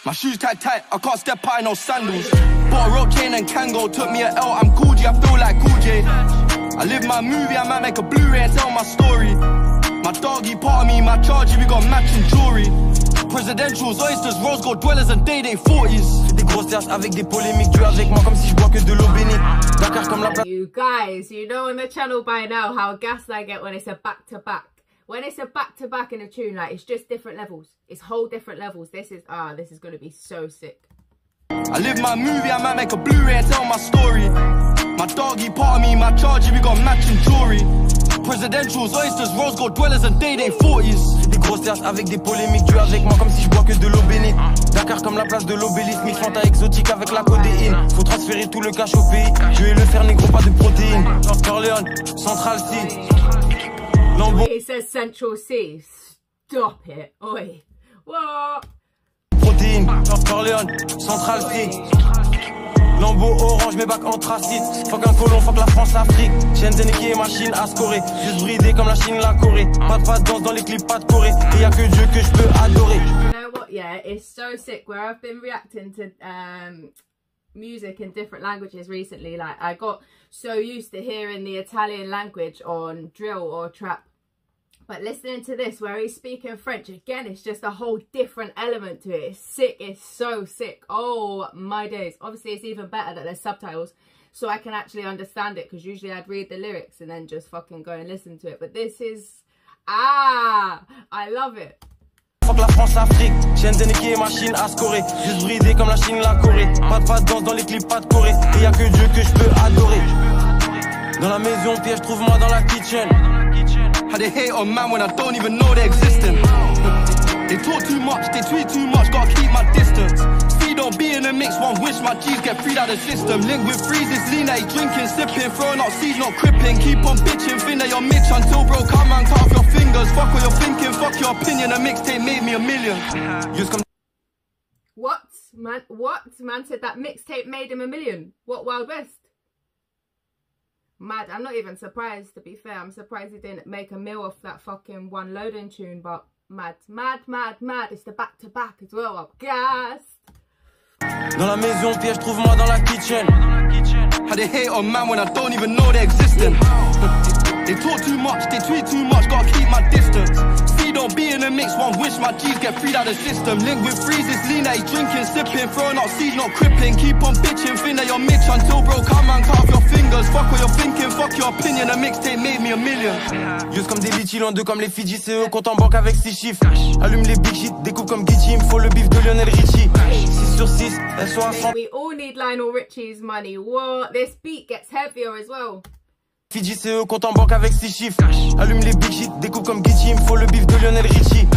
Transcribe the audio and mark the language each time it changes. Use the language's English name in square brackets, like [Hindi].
[English] My shoes tight, I can't step high, no sandals. Bought a rope chain and Kango, took me a L, I'm Gucci, I feel like Gucci. I live my movie, I might make a Blu-ray and tell my story. My doggy part of me, my charge, we got matching jewelry. Presidentials, oysters, rose gold dwellers and day-day 40s. [French] Des grosses terres avec des polémiques, tu avec moi comme si je bois que de l'eau bénite. Dakar comme la... [English] You guys, you know on the channel by now how gassed I get when it's a back-to-back. When it's a back-to-back in a tune, like, it's just different levels. It's whole different levels. This is going to be so sick. I live my movie, I might make a Blu-ray and tell my story. My doggy part of me, my charger, we got matching jewelry. Presidentials, oysters, rose gold dwellers and day-day 40s. [French] Des grosses terres avec des polémiques, tu avec moi comme si je bois que de l'eau bénite. Dakar comme la place de l'obélisque, mix fanta exotique avec la codéine. Faut transférer tout le cash au pays, je vais le faire négro, pas de protéines. [English] North Carolina, Central City. He says Central C. Stop it. Oi. What? [French] Protein. North Carolina. Central C. Lambeau orange, mes bacs anthracite. Fuck un colon, fuck la France, Afrique. Chien de niquer, machine à scorer. Juste bridé comme la Chine, la Corée. Pas de pas de danse dans les clips, pas de Corée. Et y'a que Dieu que je peux adorer. [English] You know what? Yeah, it's so sick. Where I've been reacting to music in different languages recently. Like, I got so used to hearing the Italian language on drill or trap. But listening to this, where he's speaking French, again, it's just a whole different element to it. It's sick. It's so sick. Oh, my days. Obviously, it's even better that there's subtitles so I can actually understand it, because usually I'd read the lyrics and then just fucking go and listen to it. But this is... Ah! I love it. [French] Fuck la France, Afrique. Chien de niquer, machine à scorer. Juste bridé comme la Chine, la Corée. Pas de pas de danse dans les clips, pas de Corée. Et il n'y a que Dieu que je peux adorer. Dans la maison, piège, trouve-moi dans la kitchen. [English] How they hate on man when I don't even know they're existing. They talk too much, they tweet too much, gotta keep my distance. See, don't be in the mix, one wish my G's get freed out of the system. Link with Freeze, it's lean that he's drinking, sipping, throwing up seeds, not crippling. Keep on bitching, think that you're Mitch until bro, come and cut off your fingers. Fuck what you're thinking, fuck your opinion, a mixtape made me a million. Just come. What? Man, what? Man said that mixtape made him a million. What Wild West? Mad. I'm not even surprised, to be fair. I'm surprised he didn't make a meal off that fucking one loading tune, but mad, mad, mad, mad. It's the back to back as well. I'm gassed. [French] Dans la maison, piège, trouve-moi dans la kitchen. [English] How they hate on man when I don't even know they're existing. They talk too much, they tweet too much, gotta keep my distance. See, don't be in the mix, one wish my G's get freed out of the system. Link with Freeze, it's lean that he's drinking, sipping, throwing up seeds, not crippling. Keep on bitching, think that you're Mitch until bro, come and cut off your fingers. Fuck what you're thinking, fuck your opinion, a mixtape made me a million. [French] Use comme des bitches, l'un d'eux comme les Fiji, c'est eux, compte en banque avec 6 chiffres. Allume les big shit, découpe comme Gucci, il faut le beef de Lionel Richie. 6 sur 6, elles sont à 100. [English] We all need Lionel Richie's money, what? This beat gets heavier as well. [French] Fiji c'est eux, compte en banque avec 6 chiffres. Allume les big shit, découpe comme Gucci, il me faut le bif de Lionel Richie.